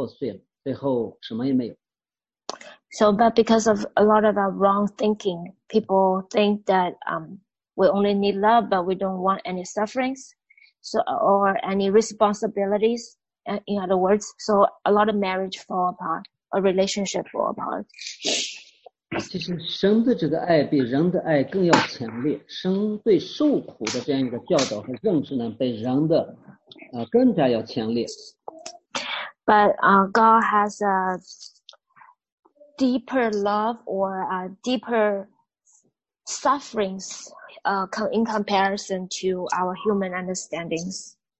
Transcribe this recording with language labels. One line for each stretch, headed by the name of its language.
Chinese: 那现在好多人有很多错误的观念，就是说要爱不要担当呢，所以家庭好多的关系都破碎了，最后什么也没有。
English: So, but because of a lot of our wrong thinking, people think that we only need love, but we don't want any sufferings, so or any responsibilities. In other words, so a lot of marriage fall apart, a relationship fall apart.
Chinese: 其实神的这个爱比人的爱更要强烈，神对受苦的这样一个教导和认识呢，比人的更加要强烈。But
English: God has a deeper love or deeper sufferings in comparison to our human understandings.